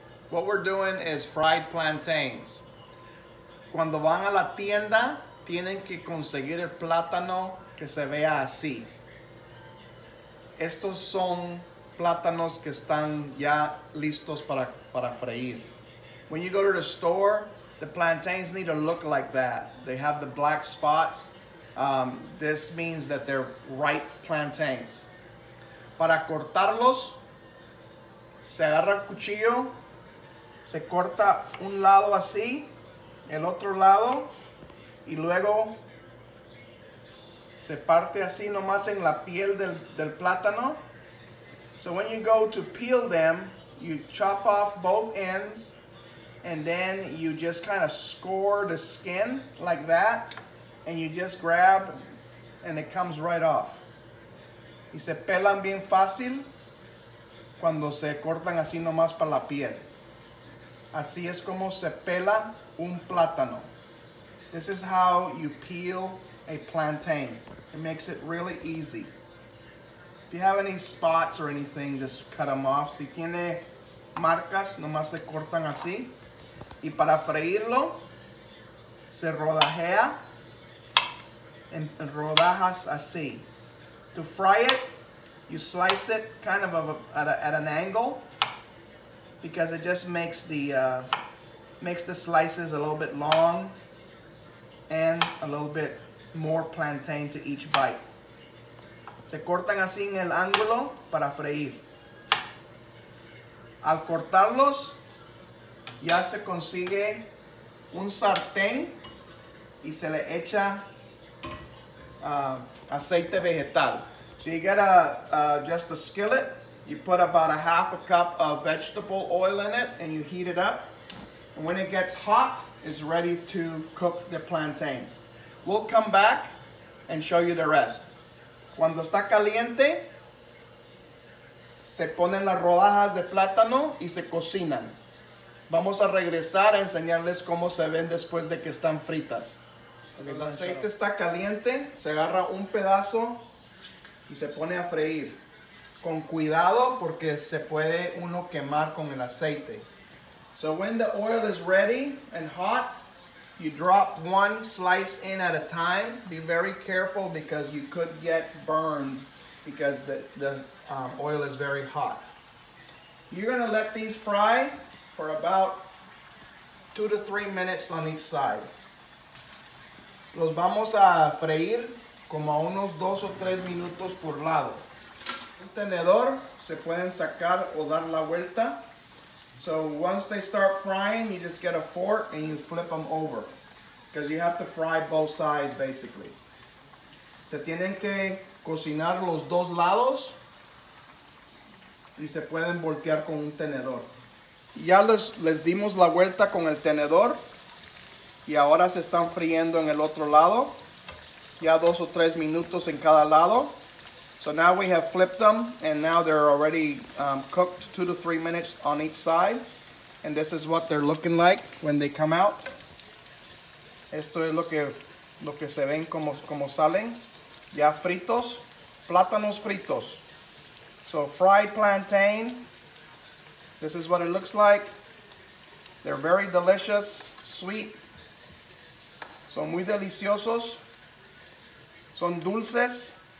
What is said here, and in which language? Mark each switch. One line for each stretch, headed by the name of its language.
English: What we're doing is fried plantains.
Spanish: Cuando van a la tienda, tienen que conseguir el plátano que se vea así. Estos son plátanos que están ya listos para freír.
English: When you go to the store, the plantains need to look like that. They have the black spots. This means that they're ripe plantains.
Spanish: Para cortarlos, se agarra el cuchillo, se corta un lado así, el otro lado, y luego se parte así nomás en la piel del plátano.
English: So when you go to peel them, you chop off both ends, and then you just kind of score the skin like that, and you just grab, and it comes right off.
Spanish: Y se pelan bien fácil cuando se cortan así nomás para la piel. Así es como se pela un plátano.
English: This is how you peel a plantain. It makes it really easy. If you have any spots or anything, just cut them off.
Spanish: Si tiene marcas, nomás se cortan así. Y para freírlo, se rodajea en rodajas así.
English: To fry it, you slice it kind of at an angle because it just makes the slices a little bit long and a little bit more plantain to each bite.
Spanish: Se cortan así en el ángulo para freír. Al cortarlos, ya se consigue un sartén y se le echa aceite vegetal.
English: So you get just a skillet, you put about a half a cup of vegetable oil in it, and you heat it up. And when it gets hot, it's ready to cook the plantains. We'll come back and show you the rest.
Spanish: Cuando está caliente, se ponen las rodajas de plátano y se cocinan. Vamos a regresar a enseñarles cómo se ven después de que están fritas. El aceite está caliente, se agarra un pedazo y se pone a freír. Con cuidado porque se puede uno quemar con el aceite.
English: So when the oil is ready and hot, you drop one slice in at a time. Be very careful because you could get burned because the oil is very hot. You're going to let these fry for about 2 to 3 minutes on each side.
Spanish: Los vamos a freír como a unos 2 o 3 minutos por lado. Un tenedor se pueden sacar o dar la vuelta.
English: So once they start frying, you just get a fork and you flip them over. Because you have to fry both sides, basically.
Spanish: Se tienen que cocinar los dos lados y se pueden voltear con un tenedor. Ya les dimos la vuelta con el tenedor y ahora se están friendo en el otro lado. Ya 2 o 3 minutos en cada lado.
English: So now we have flipped them and now they're already cooked 2 to 3 minutes on each side. And this is what they're looking like when they come out.
Spanish: Esto es lo que se ven como salen. Ya fritos, plátanos fritos.
English: So fried plantain, this is what it looks like. They're very delicious, sweet.
Spanish: Son muy deliciosos. Son dulces.